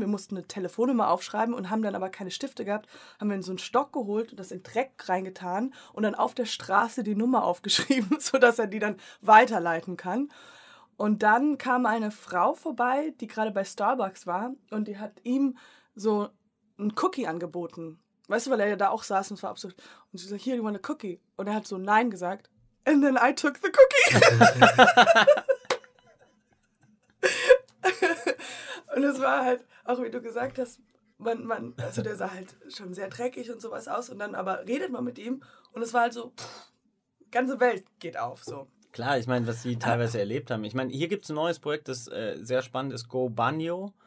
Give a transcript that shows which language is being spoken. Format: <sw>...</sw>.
<de>Wir mussten eine Telefonnummer aufschreiben und haben dann aber keine Stifte gehabt. Haben wir in so einen Stock geholt und das in Dreck reingetan und dann auf der Straße die Nummer aufgeschrieben, sodass er die dann weiterleiten kann. Und dann kam eine Frau vorbei, die gerade bei Starbucks war und die hat ihm so einen Cookie angeboten. Weißt du, weil er ja da auch saß und es war absurd. Und sie sagt, hier,</de> <en>you want a cookie?</en> <de>Und er hat so Nein gesagt.</de> <en>And then I took the cookie.</en> <de>Und es war halt, auch wie du gesagt hast, man, also der sah halt schon sehr dreckig und sowas aus. Und dann aber redet man mit ihm und es war halt so, ganze Welt geht auf, so. Klar, ich meine, was sie teilweise erlebt haben. Ich meine, hier gibt es ein neues Projekt, das sehr spannend ist, Go Banyo.</de>